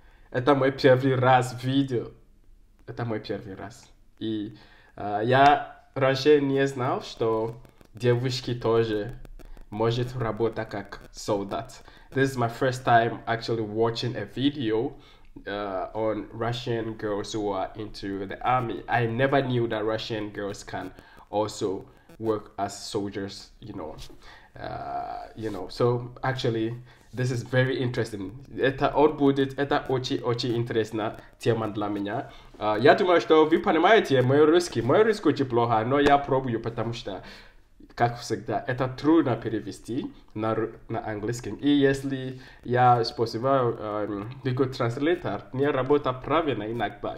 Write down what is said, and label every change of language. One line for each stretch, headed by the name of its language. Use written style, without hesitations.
Russian: Это мой первый раз в видео. Это мой первый раз. И я раньше не знал, что девушки тоже могут работать как солдат.
English: This is my first time actually watching a video on Russian girls who are into the army. I never knew that Russian girls can also work as soldiers, you know. So actually this is very interesting.
Russian: Это очень-очень интересная тема для меня. Я думаю, что вы понимаете мой русский очень плохо, но я пробую, потому что, как всегда, это трудно перевести на английском. И если я использую Google Translator, не работает правильно иногда.